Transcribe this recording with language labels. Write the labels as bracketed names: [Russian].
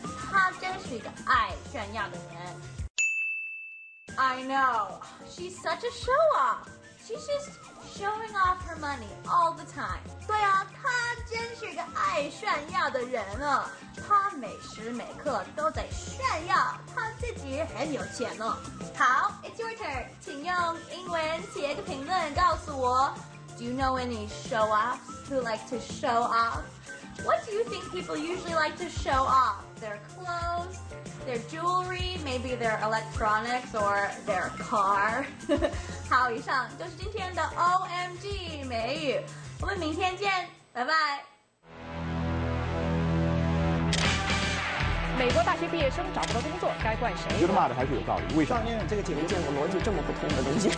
[Chinese] 她真是一个爱炫耀的人。 [English] I know, she's such a show-off. She's just showing off her money all the time. [Chinese] 对啊，她真是个爱炫耀的人啊。她每时每刻都在炫耀她自己很有钱呢。好 ， [English] It's your turn. [Chinese] 请用英文写个评论告诉我。 [English] Do you know any show-offs who like to show off? What do you think people usually like to show off? Their clothes? Their jewelry, maybe their electronics or their car. [Chinese] 好，以上就是今天的 OMG 美语，我们明天见，拜拜。美国大学毕业生找不到工作，该怪谁？觉得骂的还是有道理，为啥？少年，这个解铃见我逻辑这么不通的东西。